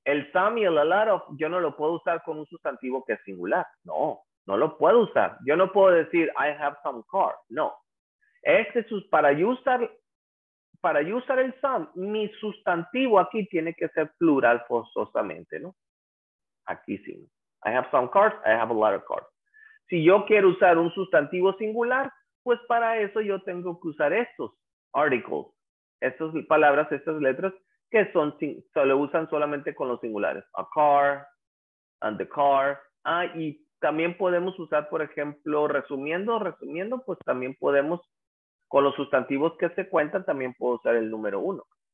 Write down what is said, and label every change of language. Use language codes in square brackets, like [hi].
[es] El some y el lot of, yo no lo puedo usar con un sustantivo que es singular. No, no lo puedo usar. Yo no puedo decir, [en] I have some car. [es] No. Este es para usar el some, mi sustantivo aquí tiene que ser plural forzosamente, ¿no? Aquí sí. [en] I have some cars, I have a lot of cars. [es] Si yo quiero usar un sustantivo singular, pues para eso yo tengo que usar estos articles, estas palabras, estas letras, que son, se lo usan solamente con los singulares. A car, and the car. Ah, y también podemos usar, por ejemplo, resumiendo, pues también podemos, con los sustantivos que se cuentan, también puedo usar el número uno.